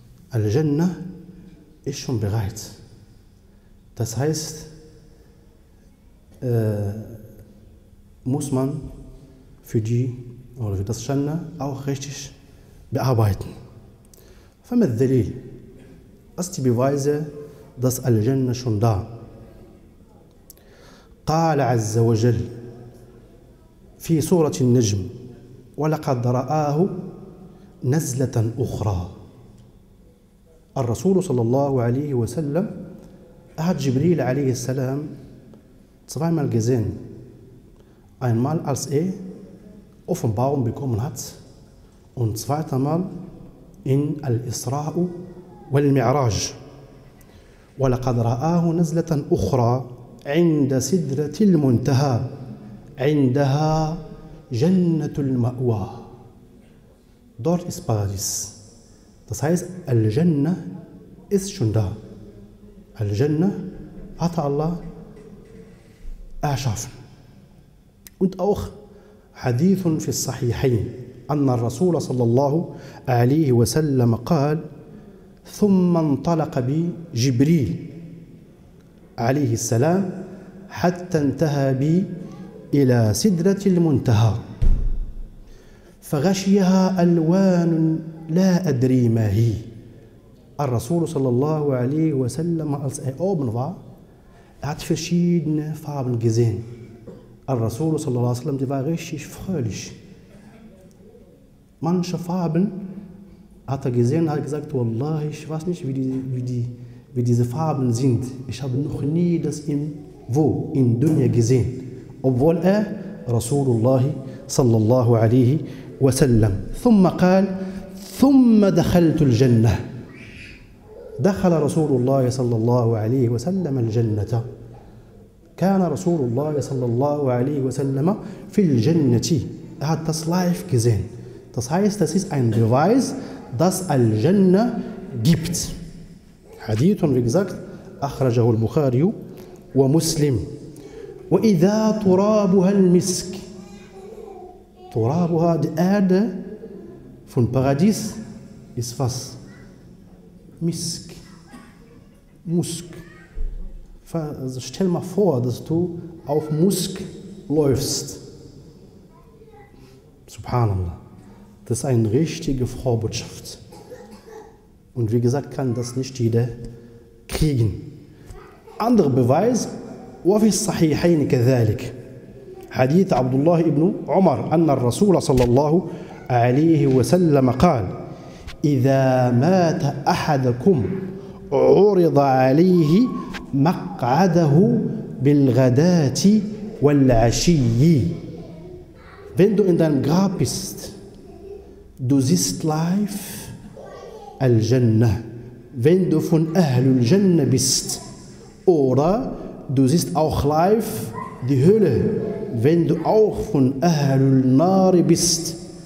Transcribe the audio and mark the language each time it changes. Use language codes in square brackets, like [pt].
[de] Al-Jannah ist schon bereit. Das heißt, muss man für die oder für das Jannah auch richtig bearbeiten. [ar] Fama al-Dalil. [de] Was ist die Beweise, dass Al-Jannah schon da? [ar] Qala azza wa jal في سورة النجم ولقد رآه نزلة أخرى. [de] الرسول صلى الله عليه وسلم hat Jibril عليه السلام zweimal gesehen. Einmal als Offenbarung bekommen hat und zweiter Mal in Al-Isra wal-Mi'raj. [ar] ولقد رآه نزلة أخرى عند سدرة المنتهى عندها Jannatul Ma'wa. [de] Dort ist Paradies. Das heißt, Al-Jannah ist schon da. Al-Jannah hat Allah erschaffen. Und auch [ar] Hadithun fi Sahihain. Anna Rasul sallallahu alayhi wa sallam qal, thumma antalaqa bi Jibril alayhi salam hatta antaha bi إلى سدرة المنتهى فغشيها ألوان لا أدري ما هي. [de] الرسول صلى الله عليه وسلم hat verschiedene Farben gesehen. الرسول صلى الله عليه وسلم war richtig fröhlich. Manche Farben hat gesehen, hat gesagt, والله ich weiß nicht, wie diese Farben sind. Ich habe noch nie das im wo in Dunya gesehen. Obwohl رسول الله صلى الله عليه وسلم. [ar] ثم قال ثم دخلت الجنة. دخل رسول الله صلى الله عليه وسلم الجنة. كان رسول الله صلى الله عليه وسلم في الجنة. [de] Hat das Life gesehen. Das heißt, das ist ein Beweis, dass الجنة gibt. [ar] حديث [de] wie gesagt [ar] أخرجه البخاري ومسلم. وإذا ترابها المسك. [de] ترابها die Erde von Paradies ist was? Misk. Musk. Stell mal vor, dass du auf Musk läufst. Subhanallah. Das ist eine richtige Vorbotschaft. Und wie gesagt, kann das nicht jeder kriegen. Anderer Beweis, [ar] وفي الصحيحين كذلك حديث عبد الله بن عمر أن الرسول صلى الله عليه وسلم قال إذا مات أحدكم عرض عليه مقعده بالغداة والعشي. [de] Wenn du in deinem Grab bist, du siehst live الجنة. Wenn du von [ar] أهل الجنة [de] bist, oder du siehst auch live die Hölle, wenn du auch von [ar] Ahlul Nari [de] bist.